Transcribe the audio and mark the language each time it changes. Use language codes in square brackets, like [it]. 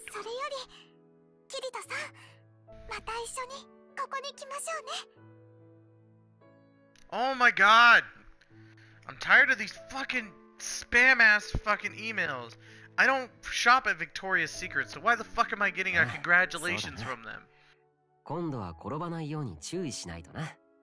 [ja] それよりキリトさん、また一緒にここに来ましょうね。 [en] Oh my god, I'm tired of these fucking spam ass fucking emails. I don't shop at Victoria's Secret, so why the fuck am I getting a congratulations from them? [ja] 今度は転ばないように注意しないとな。